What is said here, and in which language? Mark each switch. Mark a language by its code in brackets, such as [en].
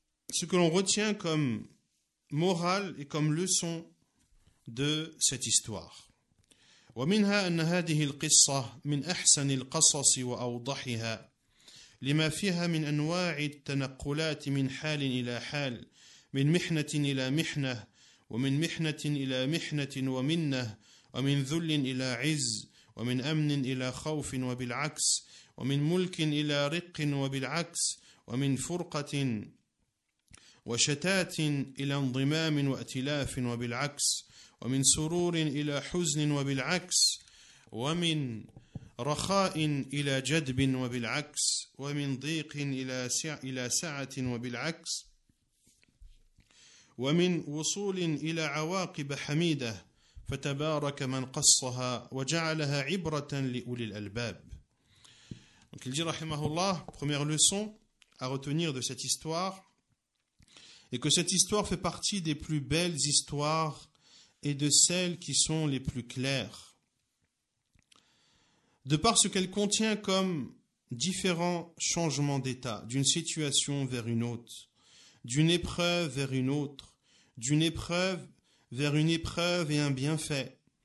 [fr] Ce que l'on retient comme morale et comme leçon de cette histoire. [ar] ومنها أن هذه القصة من أحسن القصص وأوضحها لما فيها من أنواع التنقلات من حال إلى حال، من محنة إلى محنة، ومن محنة إلى محنة ومنة، ومن ذل إلى عز، ومن أمن إلى خوف وبالعكس، ومن ملك إلى رق وبالعكس، ومن فرقة وشتات إلى انضمام وأتلاف وبالعكس، ومن سرور إلى حزن وبالعكس، ومن رخاء إلى جدب وبالعكس، ومن ضيق إلى سعة وبالعكس، ومن وصول إلى عواقب حميدة، فتبارك من قصها وجعلها عبرة لأولي الألباب. [fr] Donc il dit [ar] رحمه الله, [fr] première leçon à retenir de cette histoire et que cette histoire fait partie des plus belles histoires et de celles qui sont les plus claires. De par ce qu'elle contient comme différents changements d'état, d'une situation vers une autre, d'une épreuve vers une autre, d'une épreuve vers une épreuve et un bienfait,